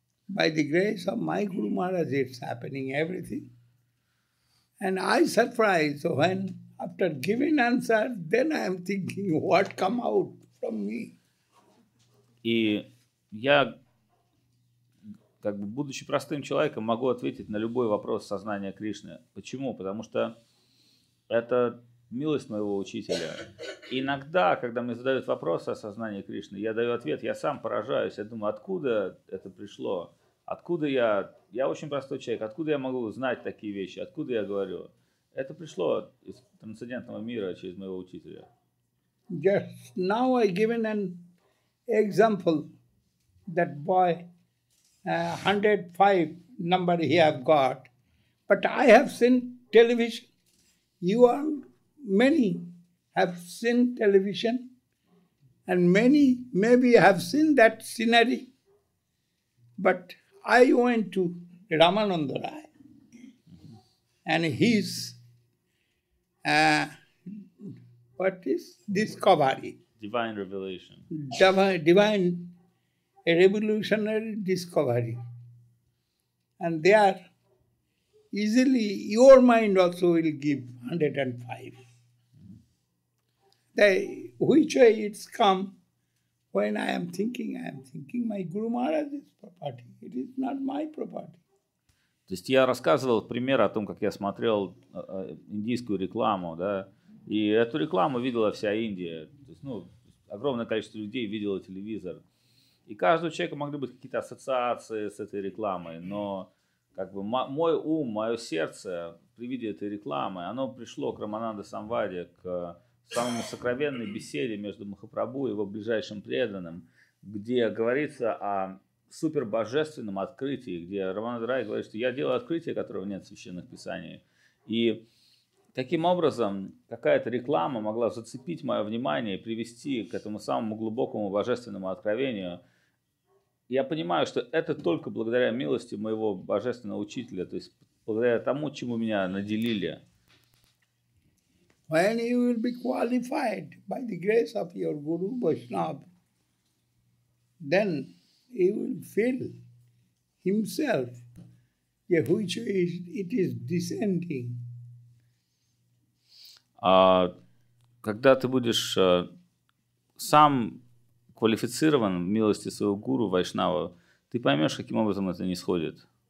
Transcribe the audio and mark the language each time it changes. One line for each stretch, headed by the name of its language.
English: By the grace of my Guru Maharaj, it's happening, everything. And I surprise when, after giving answer, then I am thinking, what come out from me?
Russian: И я, как бы, будучи простым человеком, могу ответить на любой вопрос сознания Кришны. Почему? Потому что это милость моего учителя. Иногда, когда мне задают вопрос о сознании Кришны, я даю ответ, я сам поражаюсь, я думаю, откуда это пришло, откуда я очень простой человек, откуда я могу знать такие вещи, откуда я говорю. Это пришло из трансцендентного мира через моего учителя.
English: Just now I given an example, that boy, 105 number he have got, but I have seen television, you are many. Have seen television, and many maybe have seen that scenery. But I went to Ramananda Rai, and his what is discovery? Divine revelation. Divine revolutionary discovery. And there, easily your mind also will give 105. Which way it's come, when I am thinking my Guru Maharaj is property, it is not my property.
Russian: То есть я рассказывал пример о том, как я смотрел индийскую рекламу, да, и эту рекламу видела вся Индия, то есть, ну, огромное количество людей видело телевизор, и каждого человека могли быть какие-то ассоциации с этой рекламой, но как бы мой ум, мое сердце при виде этой рекламы, оно пришло к Рамананда Самваде, к самой сокровенной беседе между Махапрабху и его ближайшим преданным, где говорится о супербожественном открытии, где Рамананда Рай говорит, что я делаю открытие, которого нет в священных писаниях. И таким образом какая-то реклама могла зацепить мое внимание и привести к этому самому глубокому божественному откровению. Я понимаю, что это только благодаря милости моего божественного учителя, то есть благодаря тому, чему меня наделили.
English: When you will be qualified by the grace of your Guru Vaishnava, then he will feel himself, yeah, which is, it is descending.
Russian: Когда ты будешь сам квалифицирован в милости своего Гуру Вайшнава, ты поймешь, каким образом это нисходит.